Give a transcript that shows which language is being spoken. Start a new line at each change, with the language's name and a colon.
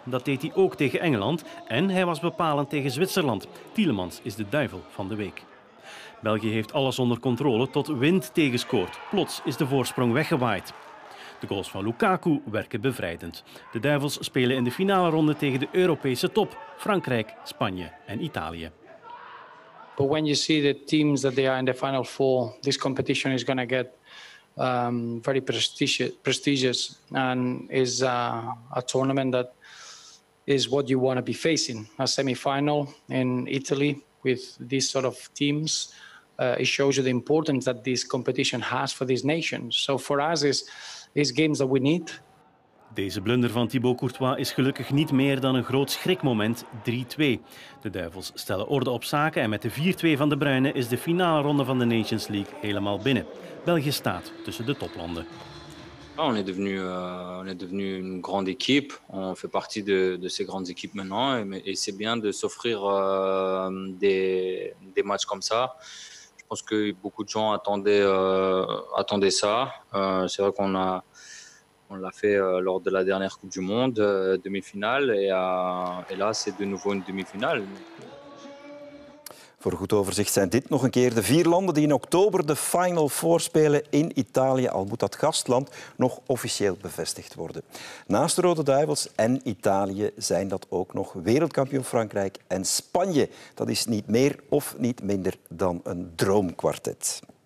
Dutch: Dat deed hij ook tegen Engeland en hij was bepalend tegen Zwitserland. Tielemans is de Duivel van de week. België heeft alles onder controle tot Wind tegenscoort. Plots is de voorsprong weggewaaid. De goals van Lukaku werken bevrijdend. De Duivels spelen in de finale ronde tegen de Europese top, Frankrijk, Spanje en Italië.
English: But when you see the teams that they are in the final four, this competition is going to get very prestigious and is a tournament that is what you want to be facing. A semi-final in Italy with these sort of teams, it shows you the importance that this competition has for these nations. So for us, it's games that we need.
Dutch: Deze blunder van Thibaut Courtois is gelukkig niet meer dan een groot schrikmoment, 3-2. De Duivels stellen orde op zaken en met de 4-2 van de Bruinen is de finale ronde van de Nations League helemaal binnen. België staat tussen de toplanden.
French: On est devenu une grande équipe, on fait partie de ces grandes équipes maintenant et c'est bien de s'offrir des matchs comme ça. Je pense que beaucoup de gens attendaient ça. C'est vrai qu'on a on l'a fait lors de la dernière Coupe du Monde, demi-finale, et là c'est de nouveau une demi-finale.
Dutch: Voor goed overzicht zijn dit nog een keer de vier landen die in oktober de Final Four spelen in Italië, al moet dat gastland nog officieel bevestigd worden. Naast de Rode Duivels en Italië zijn dat ook nog wereldkampioen Frankrijk en Spanje. Dat is niet meer of niet minder dan een droomkwartet.